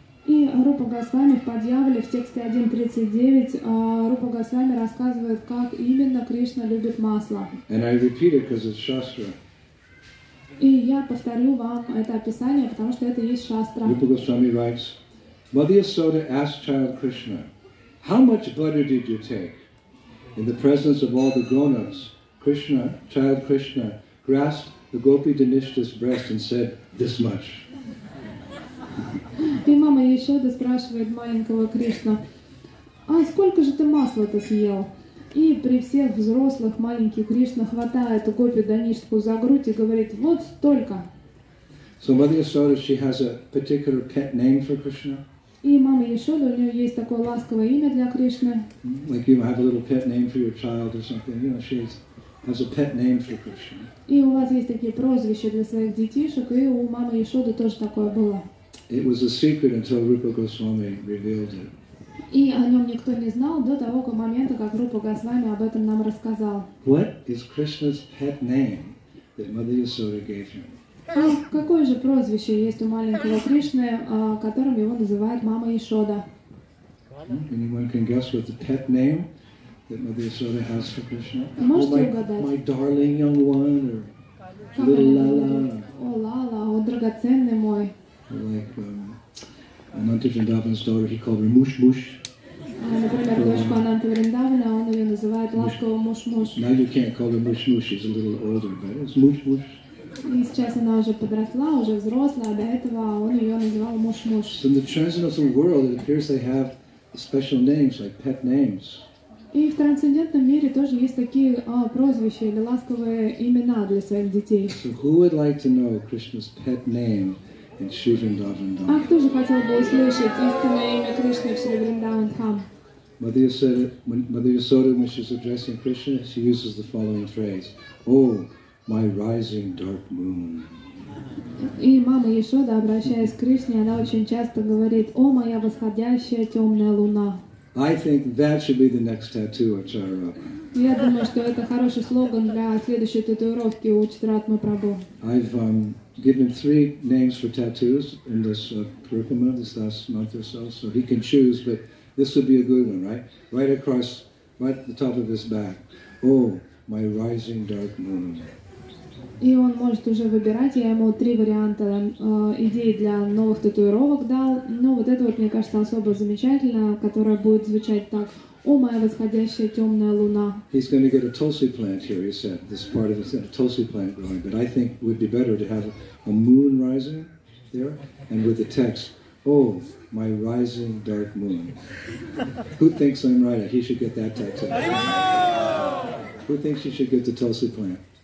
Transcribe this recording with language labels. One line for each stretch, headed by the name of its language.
Russian: И Рупа Госвами в Падьяволе в тексте 1.39 Рупа Госвами рассказывает, как именно Кришна любит масло.
English: And I repeat it because it's Shastra.
Russian: И я повторю вам это описание, потому что это есть Шастра.
English: Рупа Госвами writes, Mother Yasoda asked child Krishna, how much butter did you take? In the presence of all the grown-ups, Krishna, child Krishna, grasped the gopi Dhanishtha's breast and said, this much.
Russian: И мама Яшода спрашивает маленького Кришна, а сколько же ты масла-то съел? И при всех взрослых маленький Кришна хватает гопи Дхаништху за грудь и говорит, вот столько.
English: So Mother Yasoda, she has a particular pet name for Krishna.
Russian: И мама Яшода, у нее есть такое ласковое имя для Кришны.
English: Like you have a little pet name for your child or something, you know, she is. Has a pet name for Krishna.
Russian: И у вас есть такие прозвища для своих детишек, и у мамы Яшоды тоже такое было.
English: It was a secret until Rupa Goswami revealed it.
Russian: И о нем никто не знал до того момента, как Рупа Госвами об этом нам рассказал.
English: What is Krishna's pet name that Mother Yasoda gave him?
Russian: А какое же прозвище есть у маленького Кришны, которым его называет мама Яшода?
English: Anyone can guess what the pet name? That Mother Yasoda has for Krishna. My darling young one, or little Lala.
Russian: Oh, Lala, oh, драгоценный мой.
English: Like Ananta Vrindavan's daughter, he called her Mush Mush. Now you can't call her Mush Mush, she's a little older, but it's Mush Mush.
Russian: И сейчас она уже подросла, уже взрослая, до этого он ее называл Mush Mush.
English: So in the transcendental world, it appears they have special names, like pet names.
Russian: И в трансцендентном мире тоже есть такие прозвища или ласковые имена для своих детей.
English: So who would like to know Krishna's pet name in Sri Vrindavan Dham?
Russian: А кто же хотел бы услышать истинное имя Кришны в Шри Вриндаван Дхам?
English: Mother Yasoda, when she's addressing Krishna, she uses the following phrase: "Oh, my rising dark moon."
Russian: И мама Яшода, обращаясь к Кришне, она очень часто говорит: "О, моя восходящая темная луна."
English: I think that should be the next tattoo of Charvaka.
Russian: Я думаю, что это хороший слоган для следующей татуировки у Чатратмы Прабху.
English: I've given him three names for tattoos in this parikrama this last month or so he can choose, but this would be a good one, right? Right across, right at the top of his back. Oh, my rising dark moon.
Russian: И он может уже выбирать, я ему три варианта идей для новых татуировок дал. Но вот это вот, мне кажется, особо замечательно, которое будет звучать так. О, моя восходящая темная луна.
English: He's going to get a tulsi plant here, he said. This part of it's got a tulsi plant growing. But I think it would be better to have a moon rising there. And with the text, oh, my rising dark moon. Who thinks I'm right? He should get that tattoo. Who thinks he should get the tulsi plant?